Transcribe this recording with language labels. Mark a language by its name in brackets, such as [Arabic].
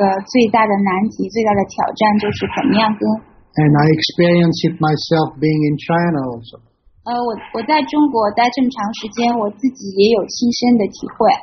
[Chinese] 我完全同意你说的这个最大的难题，最大的挑战就是怎么样跟。 [English] And I experience it myself being in China also. [Chinese] 我在中国待这么长时间，我自己也有亲身的体会。